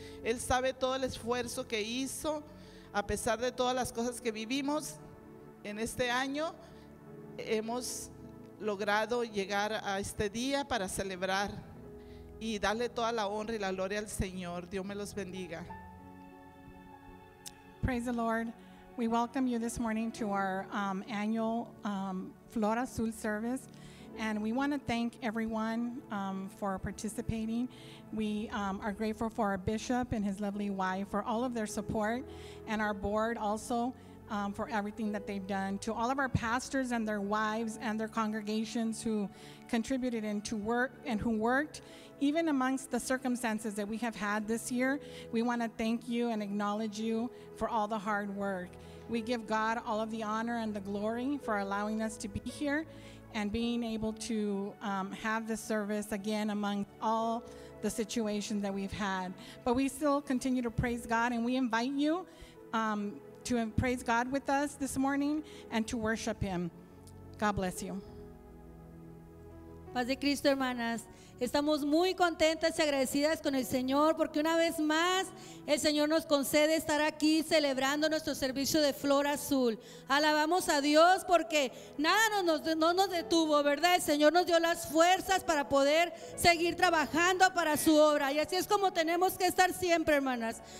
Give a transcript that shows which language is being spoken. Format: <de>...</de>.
<es>Él sabe todo el esfuerzo que hizo. A pesar de todas las cosas que vivimos en este año, hemos logrado llegar a este día para celebrar y darle toda la honra y la gloria al Señor. Dios me los bendiga.</es> <en>Praise the Lord. We welcome you this morning to our annual Flor Azul service. And we want to thank everyone for participating. We are grateful for our bishop and his lovely wife for all of their support, and our board also for everything that they've done. To all of our pastors and their wives and their congregations who contributed into work and who worked, even amongst the circumstances that we have had this year, we want to thank you and acknowledge you for all the hard work. We give God all of the honor and the glory for allowing us to be here and being able to have this service again among all the situations that we've had. But we still continue to praise God, and we invite you to praise God with us this morning and to worship Him. God bless you.</en> <es>Paz de Cristo, hermanas. Estamos muy contentas y agradecidas con el Señor porque una vez más el Señor nos concede estar aquí celebrando nuestro servicio de Flor Azul. Alabamos a Dios porque nada no nos detuvo, ¿verdad? El Señor nos dio las fuerzas para poder seguir trabajando para su obra, y así es como tenemos que estar siempre, hermanas.</es>